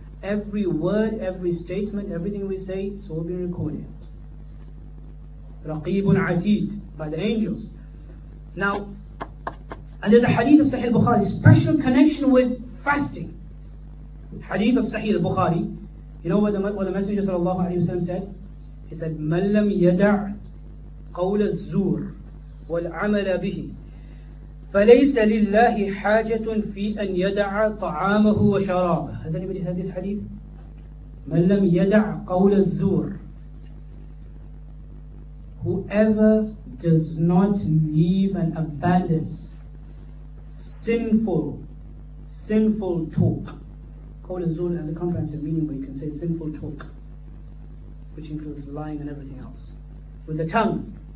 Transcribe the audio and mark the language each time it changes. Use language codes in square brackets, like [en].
[en] Every word, every statement, everything we say, it's all been recorded. [ar] رَقِيبٌ عَتِيدٌ, [en] by the angels. Now, and there's a hadith of Sahih Bukhari, special connection with fasting. Hadith of Sahih Bukhari, you know what the Messenger sallallahu alayhi wa sallam said? He said, [ar] مَنْ لَمْ يَدَعْ قَوْلَ الزُّورِ وَالْعَمَلَ بِهِ فَلَيْسَ لِلَّهِ حَاجَةٌ فِي أَنْ يَدَعَ طَعَامَهُ وَشَرَابَهُ. [en] Has anybody heard this hadith? [ar] مَنْ لَمْ يَدَعْ قَوْلَ الزُّورِ. [en] Whoever does not leave and abandon sinful talk. [ar] قَوْلَ الزُّورِ [en] has a comprehensive meaning, but you can say sinful talk, which includes lying and everything else, with the tongue.